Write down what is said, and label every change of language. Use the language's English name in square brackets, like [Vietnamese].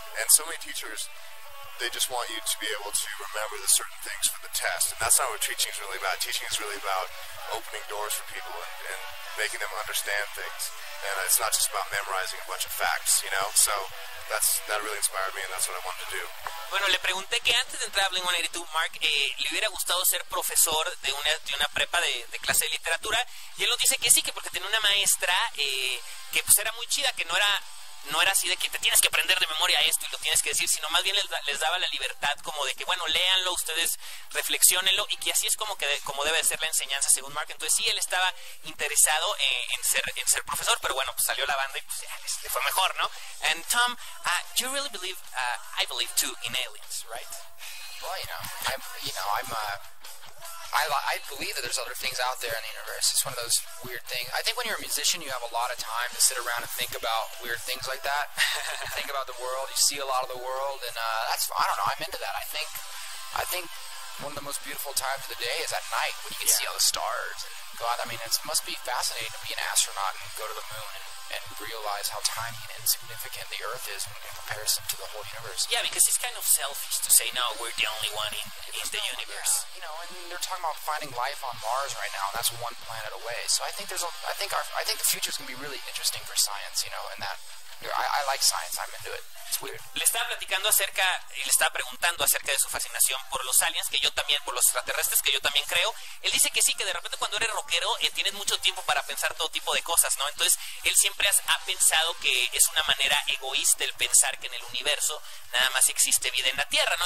[English] And so many teachers, they just want you to be able to remember the certain things for the test. And that's not what teaching is really about. Teaching is really about opening doors for people and making them understand things. And it's not just about memorizing a bunch of facts, you know? So that really inspired me, and that's what I wanted to do. [Spanish] Bueno, le pregunté que antes de entrar a Blink-182, Mark, le hubiera gustado ser profesor de una prepa de clase de literatura. Y él nos dice que sí, que porque tenía una maestra que pues era muy chida, que no era así de que te tienes que aprender de memoria esto y lo tienes que decir, sino más bien les daba la libertad como de que, bueno, léanlo ustedes, reflexionenlo, y que así es como debe de ser la enseñanza, según Mark. Entonces sí, él estaba interesado en ser profesor, pero bueno, pues salió la banda y pues ya, le fue mejor, ¿no? [English] And Tom, you really believe, I believe too, in aliens, right? Well, I believe that there's other things out there in the universe. It's one of those weird things. I think when you're a musician, you have a lot of time to sit around and think about weird things like that. Think about the world. You see a lot of the world, and that's, I don't know, I'm into that. I think one of the most beautiful times of the day is at night when you can see all the stars. God, I mean, it must be fascinating to be an astronaut and go to the moon and realize how tiny and insignificant the Earth is in comparison to the whole universe. Yeah, because it's kind of selfish to say, no, we're the only one in the universe. Yeah, you know, and they're talking about finding life on Mars right now, and that's one planet away. So I think I think the future's going to be really interesting for science, you know, and that, I like science, I'm into it. It's weird. [Spanish] Le estaba platicando acerca y le estaba preguntando acerca de su fascinación por los aliens, que yo también, por los extraterrestres, que yo también creo. Él dice que sí, que de repente cuando eres rockero tienes mucho tiempo para pensar todo tipo de cosas, ¿no? Entonces, él siempre ha pensado que es una manera egoísta el pensar que en el universo nada más existe vida en la Tierra, ¿no?